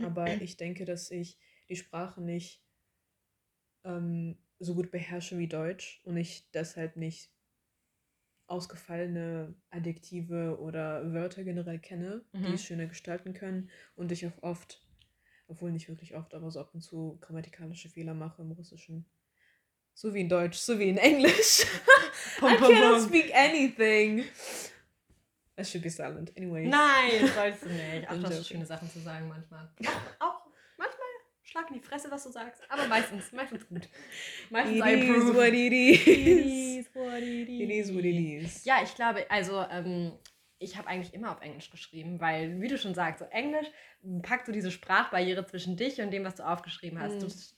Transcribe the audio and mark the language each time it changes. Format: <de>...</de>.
<de>Aber ich denke, dass ich die Sprache nicht so gut beherrsche wie Deutsch und ich deshalb nicht ausgefallene Adjektive oder Wörter generell kenne, die es schöner gestalten können und ich auch oft, obwohl nicht wirklich oft, aber so ab und zu grammatikalische Fehler mache im Russischen. So wie in Deutsch, so wie in Englisch.</de> <en>I cannot speak anything. I should be silent. Anyway.</en> <de>Nein, sollst du nicht. Ach, du hast schöne Sachen zu sagen manchmal. Schlag in die Fresse, was du sagst. Aber meistens, meistens gut. Meistens</de> <en>it is what it is. It is what it is.</en> <de>Ja, ich glaube, also ich habe eigentlich immer auf Englisch geschrieben, weil, wie du schon sagst, so Englisch packt so diese Sprachbarriere zwischen dich und dem, was du aufgeschrieben hast. Mm.</de>